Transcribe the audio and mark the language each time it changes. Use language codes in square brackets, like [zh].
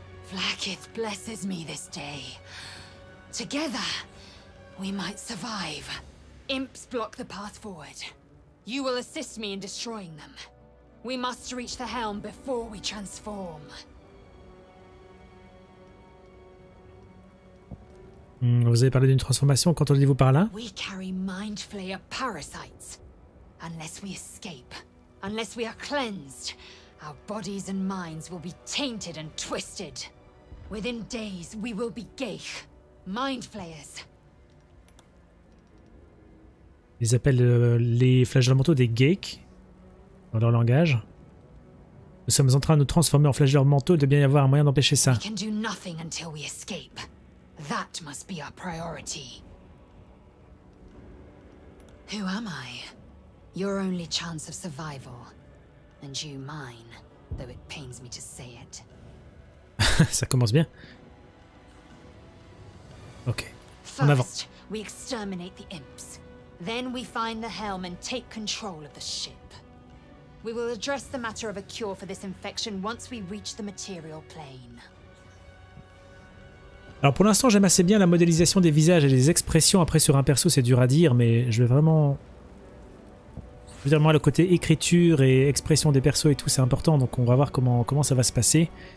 [en] Vlakith blesses me this day. Together, we might survive. Imps block the path forward. You will assist me in destroying them. We must reach the helm before we transform. [fr] Vous avez parlé d'une transformation, qu'entendez-vous par là? [en] We carry mind flayer parasites. Unless we escape, unless we are cleansed, our bodies and minds will be tainted and twisted. Within days, we will be geich, mind flayers. [fr] Ils appellent les flagellementaux des geich. Dans leur langage. Nous sommes en train de nous transformer en flageurs mentaux, de bien y avoir un moyen d'empêcher ça. [en] We can do nothing until we escape. That must be our priority. Who am I? Your only chance of survival. And you mine, though it pains me to say it. [fr] Ça commence bien. en avant. [en] We exterminate the imps. Then we find the helm and take control of the ship. We will address the matter of a cure for this infection once we reach the material plane. [fr] Alors pour l'instant, j'aime assez bien la modélisation des visages et les expressions. Après, sur un perso, c'est dur à dire, mais je veux vraiment... Je veux dire, moi, le côté écriture et expression des persos et tout, c'est important, donc on va voir comment ça va se passer.